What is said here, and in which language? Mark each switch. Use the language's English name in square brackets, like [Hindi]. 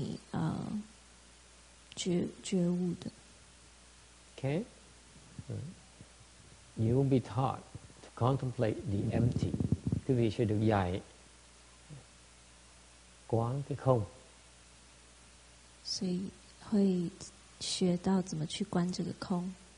[Chinese] 所以这个三观的这个法门呢是会帮助你觉悟的. [English] Okay. You will be taught to contemplate the empty. [Vietnamese] Quý vị sẽ được dạy quán cái không. [Chinese] 所以会学到怎么去观这个空.